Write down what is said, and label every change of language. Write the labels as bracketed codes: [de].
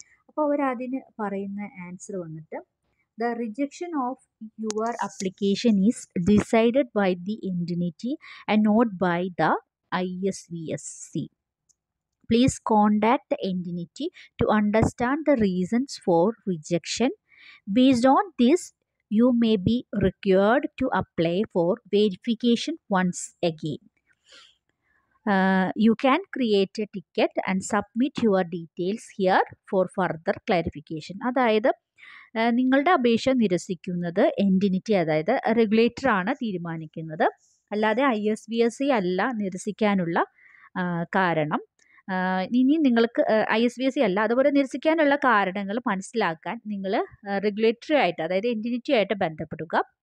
[ml] അപ്പോൾ അവരതിന് പറയുന്ന ആൻസർ വന്നിട്ട്, [en] The rejection of your application is decided by the entity and not by the ISVSC. Please contact the entity to understand the reasons for rejection. Based on this you may be required to apply for verification once again. You can create a ticket and submit your details here for further clarification. [ml] അതായത് നിങ്ങളുടെ അപേക്ഷ നിരസിക്കുന്നത് entity, അതായത് regulator ആണ് തീരുമാനിക്കുന്നത്, അല്ലാതെ ISVSC അല്ല നിരസിക്കാനുള്ള കാരണം. ഇനി നിങ്ങൾക്ക് ISVSC അല്ല, അതുപോലെ നിരസിക്കാനുള്ള കാരണങ്ങൾ മനസ്സിലാക്കാൻ നിങ്ങൾ റെഗുലേറ്ററി ആയിട്ട്, അതായത് എൻറ്റിറ്റി ആയിട്ട് ബന്ധപ്പെടുക.